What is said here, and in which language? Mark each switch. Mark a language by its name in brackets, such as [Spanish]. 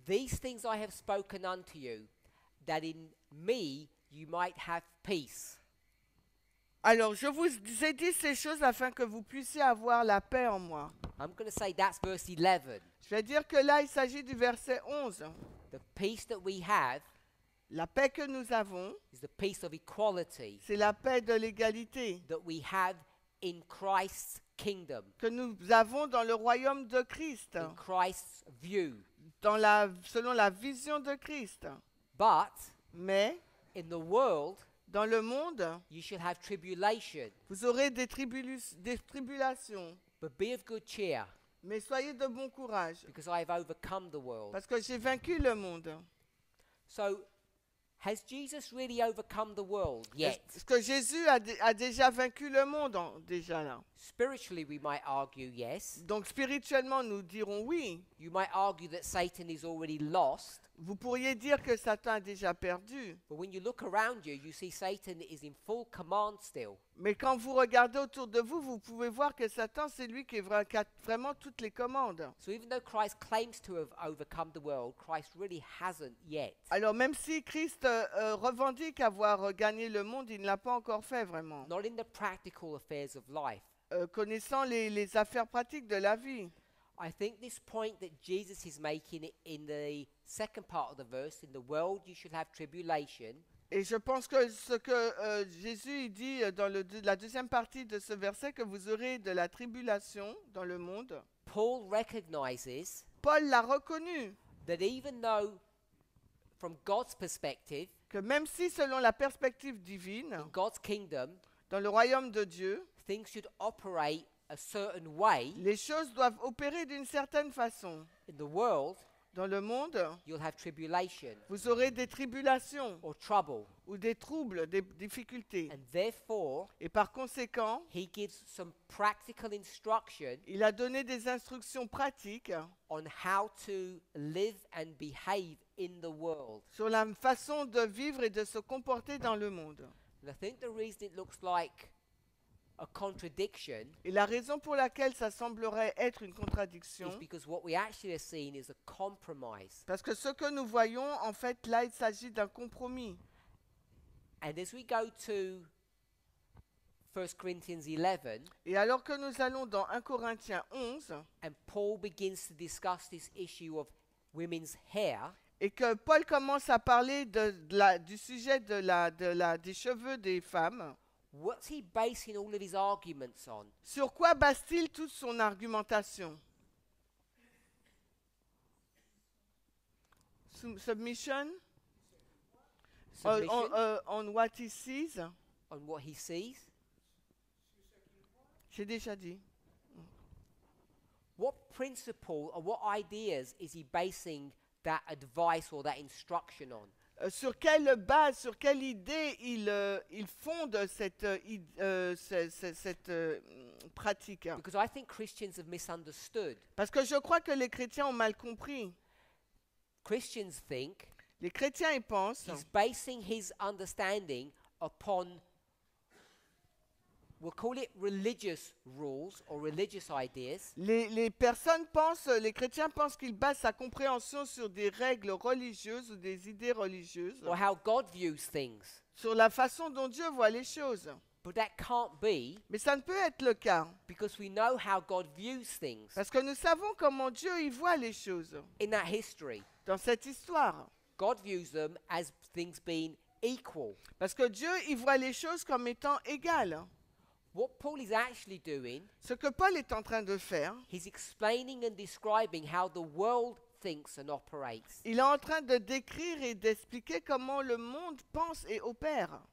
[English] These things I have spoken unto you, that in me you might have peace. [French] Alors, je vous ai dit ces choses afin que vous puissiez avoir la paix en moi. [English] I'm going to say that's verse 11. [French] Je vais dire que là, il s'agit du verset 11. [English] The peace that we have, [French] la paix que nous avons, [English] is the peace of equality, [French] c'est la paix de l'égalité, [English] that we have in Christ's kingdom, [French] que nous avons dans le royaume de Christ, [English] in Christ's view, [French] dans la, selon la vision de Christ. [English] But, [French] mais, [English] in the world, [French] dans le monde, [English] you should have tribulation. [French] Vous aurez des tribulations. [English] But be of good cheer. [French] Mais soyez de bon courage. [English] Because I have overcome the world. [French] Parce que j'ai vaincu le monde. [English] So, has Jesus really overcome the world yet? [French] Est-ce que Jésus a déjà vaincu le monde déjà là? [English] Spiritually, we might argue yes. [French] Donc spirituellement, nous dirons oui. [English] You might argue that Satan is already lost. [French] Vous pourriez dire que Satan a déjà perdu. [English] But when you look around you, you see Satan is in full command still. [French] Mais quand vous regardez autour de vous, vous pouvez voir que Satan, c'est lui qui a vraiment toutes les commandes. [English] So even though Christ claims to have overcome the world, Christ really hasn't yet. [French] Alors même si Christ revendique avoir gagné le monde, il ne l'a pas encore fait vraiment. [English] Not in the practical affairs of life. [French] Connaissant les affaires pratiques de la vie. [English] I think this point that Jesus is making in the second part of the verse, in the world you should have tribulation. [French] Et je pense que ce que Jésus dit dans la deuxième partie de ce verset, que vous aurez de la tribulation dans le monde, [English] Paul recognizes, [French] Paul l'a reconnu, [English] that even though from God's perspective, [French] que même si selon la perspective divine, [English] in God's kingdom, [French] dans le royaume de Dieu, [English] things should operate a certain way, [French] les choses doivent opérer d'une certaine façon. [English] In the world, [French] dans le monde, [English] you'll have tribulation, [French] vous aurez des tribulations [English] or trouble, [French] ou des troubles, des difficultés. [English] And therefore, [French] et par conséquent, [English] he gives some practical instruction, [French] il a donné des instructions pratiques [English] on how to live and behave in the world, [French] sur la façon de vivre et de se comporter dans le monde. [English] And I think the reason it looks like a contradiction, [French] et la raison pour laquelle ça semblerait être une contradiction, [English] is because what we actually are seeing is a compromise. [French] Parce que ce que nous voyons, en fait, là, il s'agit d'un compromis. [English] And as we go to 1 Corinthians 11, [French] et alors que nous allons dans 1 Corinthiens 11, [English] and Paul begins to discuss this issue of women's hair, [French] et que Paul commence à parler du sujet des cheveux des femmes, [English] what's he basing all of his arguments on? [French] Sur quoi base-t-il toute son argumentation? [English] Submission? Submission? On what he sees? On what he sees? [French] J'ai déjà dit. [English] What principle or what ideas is he basing that advice or that instruction on? [French] Sur quelle base, sur quelle idée il fonde cette pratique? [English] Because I think Christians have misunderstood. [French] Parce que je crois que les chrétiens ont mal compris. [English] Christians think. [French] Les chrétiens y pensent. [English] He's basing his understanding upon, we'll call it religious rules or religious ideas. [French] Les chrétiens pensent qu'ils basent sa compréhension sur des règles religieuses ou des idées religieuses. [English] Or how God views things. [French] Sur la façon dont Dieu voit les choses. [English] But that can't be. [French] Mais ça ne peut être le cas. [English] Because we know how God views things. [French] Parce que nous savons comment Dieu y voit les choses. [English] In that history. [French] Dans cette histoire. [English] God views them as things being equal. [French] Parce que Dieu y voit les choses comme étant égales. [English] What Paul is actually doing, [French] ce que Paul est en train de faire, [English] he's explaining and describing how the world thinks and operates. [French] Il est en train de décrire et d'expliquer comment le monde pense et opère.